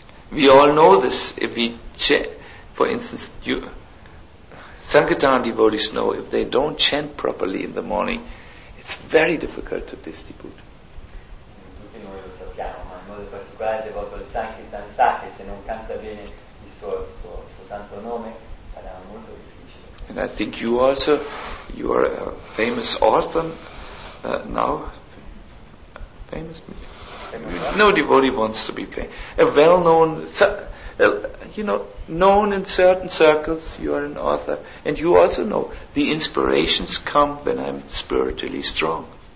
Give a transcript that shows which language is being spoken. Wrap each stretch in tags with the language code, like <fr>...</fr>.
<en>We all know this. If we chant, for instance, you Sankirtan devotees know if they don't chant properly in the morning, it's very difficult to distribute.</en> <it>Tutti noi lo sappiamo, ma in modo particolare il devoto del Sankirtan sa che se non canta bene il suo santo nome sarà molto difficile.</it> <en>And I think you also, you are a famous author now. Famous? No devotee wants to be pain. A well-known, you know, known in certain circles, you are an author, and you also know the inspirations come when I'm spiritually strong.</en>